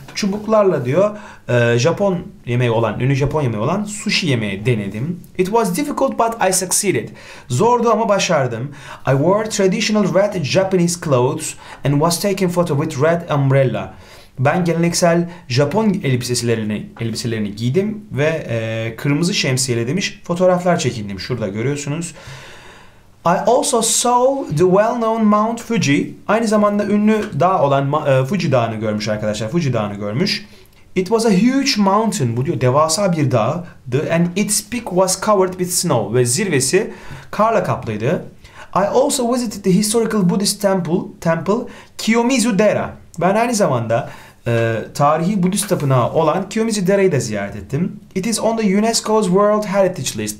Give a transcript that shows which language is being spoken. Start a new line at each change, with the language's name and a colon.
Turkish: Çubuklarla diyor Japon yemeği olan, ünlü Japon yemeği olan sushi yemeği denedim.
English: It was difficult but I succeeded.
Turkish: Zordu ama başardım.
English: I wore traditional red Japanese clothes and was taken photo with red umbrella.
Turkish: Ben geleneksel Japon elbiselerini giydim ve kırmızı şemsiyeyle demiş fotoğraflar çekindim. Şurada görüyorsunuz.
English: I also saw the well-known Mount Fuji.
Turkish: Aynı zamanda ünlü dağ olan Fuji Dağı'nı görmüş arkadaşlar. Fuji Dağı'nı görmüş.
English: It was a huge mountain.
Turkish: Bu diyor devasa bir dağdı.
English: And its peak was covered with snow.
Turkish: Ve zirvesi karla kaplıydı.
English: I also visited the historical Buddhist temple Kiyomizu Dera.
Turkish: Ben aynı zamanda tarihi Budist tapınağı olan Kiyomizu Dera'yı da ziyaret ettim.
English: It is on the UNESCO's World Heritage List.